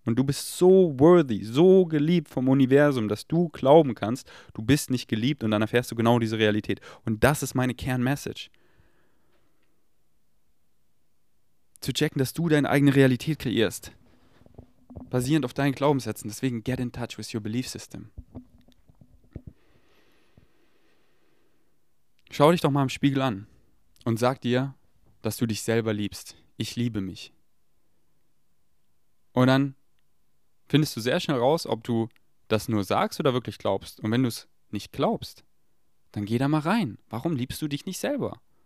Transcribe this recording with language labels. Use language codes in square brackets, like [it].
[de] Und du bist so worthy, so geliebt vom Universum, dass du glauben kannst, du bist nicht geliebt und dann erfährst du genau diese Realität. Und das ist meine Kernmessage. Zu checken, dass du deine eigene Realität kreierst. Basierend auf deinen Glaubenssätzen. Deswegen [en] get in touch with your belief system. [de] Schau dich doch mal im Spiegel an und sag dir, dass du dich selber liebst. Ich liebe mich. Und dann findest du sehr schnell raus, ob du das nur sagst oder wirklich glaubst. Und wenn du es nicht glaubst, dann geh da mal rein. Warum liebst du dich nicht selber?